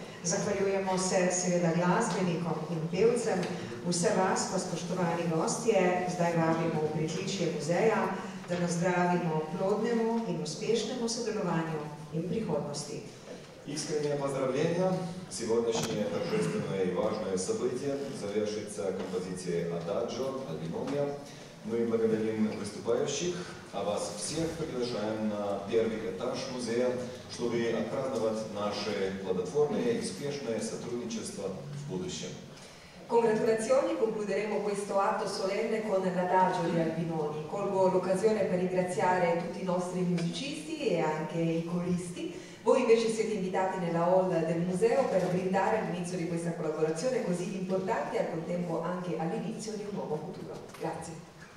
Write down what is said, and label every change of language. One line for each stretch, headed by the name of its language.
Slovenian: Zahvaljujemo se seveda glasbenikom in pevcem, vse vas pa spoštovani gostje, zdaj vabimo v pritličje muzeja, da nas zdravimo plodnemu in uspešnemu sodelovanju in prihodnosti.
Russian: Искренне поздравления! Сегодняшнее торжественное и важное событие завершится композицией «Ададжо» «Альбинония». Мы благодарим выступающих, а вас всех приглашаем на первый этаж музея, чтобы отпраздновать наше плодотворное и успешное сотрудничество в будущем.
Italian: Congratulazioni, concluderemo questo atto solenne con l'Adagio di Albinoni. Colgo l'occasione per ringraziare tutti i nostri musicisti e anche i coristi. Voi invece siete invitati nella hall del museo per brindare all'inizio di questa collaborazione così importante e al contempo anche all'inizio di un nuovo futuro. Grazie.